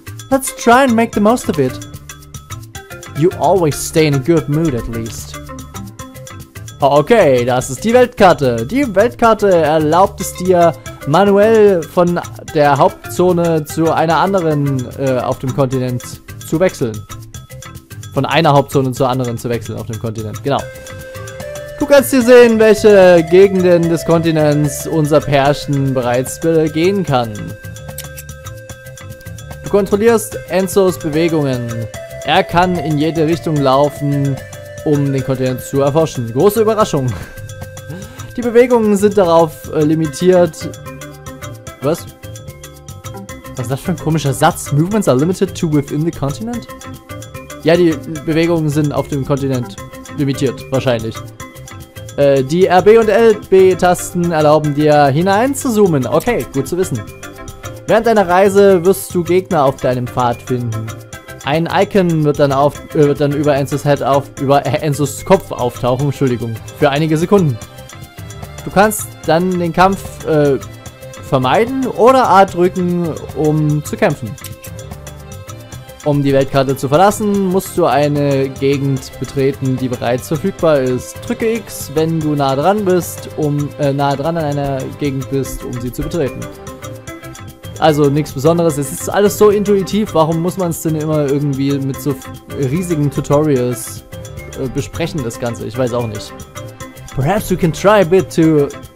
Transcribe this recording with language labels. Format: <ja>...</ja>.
<en>Let's try and make the most of it. You always stay in a good mood at least.</en> <de>Okay, das ist die Weltkarte. Die Weltkarte erlaubt es dir, manuell von der Hauptzone zu einer anderen auf dem Kontinent zu wechseln. Von einer Hauptzone zur anderen zu wechseln auf dem Kontinent, genau. Du kannst hier sehen, welche Gegenden des Kontinents unser Pärchen bereits begehen kann. Du kontrollierst Enzos Bewegungen. Er kann in jede Richtung laufen, um den Kontinent zu erforschen. Große Überraschung. Die Bewegungen sind darauf limitiert. Was? Was ist das für ein komischer Satz?</de> <en>Movements are limited to within the continent?</en> <de>Ja, die Bewegungen sind auf dem Kontinent limitiert, wahrscheinlich. Die RB und LB-Tasten erlauben dir hinein zu zoomen. Okay, gut zu wissen. Während deiner Reise wirst du Gegner auf deinem Pfad finden. Ein Icon wird dann über Enzos Head über Enzos Kopf auftauchen, Entschuldigung, für einige Sekunden. Du kannst dann den Kampf vermeiden oder A drücken, um zu kämpfen. Um die Weltkarte zu verlassen, musst du eine Gegend betreten, die bereits verfügbar ist. Drücke X, wenn du nah dran bist, um sie zu betreten. Also nichts Besonderes, es ist alles so intuitiv, warum muss man es denn immer irgendwie mit so riesigen Tutorials besprechen, das Ganze, ich weiß auch nicht.</de> <en>Perhaps we can train a bit too</en>